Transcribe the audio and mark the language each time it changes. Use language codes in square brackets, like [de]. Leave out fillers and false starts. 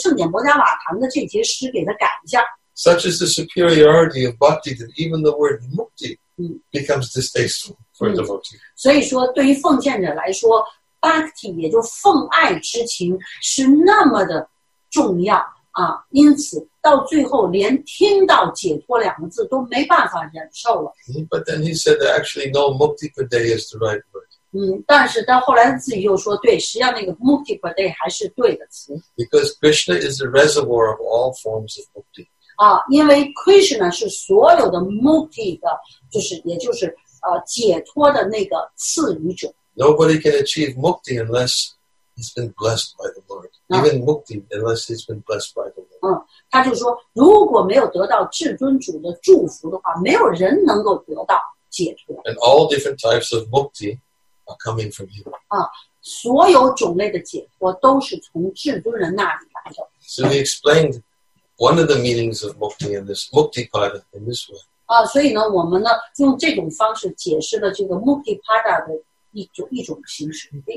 [zh] 然后他就跟这个彩丹娘麻阿帕布至尊主说，我们能不能把这个圣典摩迦瓦坛的这节诗给它改一下？ [en] Such is the superiority of bhakti that even the word mukti becomes distasteful for a devotee. [zh] 所以说对于奉献者来说， bhakti 也就奉爱之情是那么的重要。因此到最后连听到解脱两个字都没办法忍受了。 [en] But then he said that actually no mukti padai is the right word. [zh] 但是他后来自己又说，对，实际上那个mukti padai 还是对的词。 [en] Because Krishna is the reservoir of all forms of mukti. [zh] 因为 Krishna 是所有的 mukti 的，就是也就是解脱的那个赐予者。 [en] Nobody can achieve mukti unless he's been blessed by the Lord. Even Mukti, unless he's been blessed by the Lord. [zh] 他就说, 如果没有得到至尊主的祝福的话, 没有人能够得到解脱。 [en] And all different types of Mukti are coming from him. [zh] 所有种类的解脱都是从至尊人那里来的。 [en] So he explained one of the meanings of Mukti in this Mukti Pada in this way. [zh] 所以呢我们呢用这种方式解释了这个 Mukti Pada 的一种形式。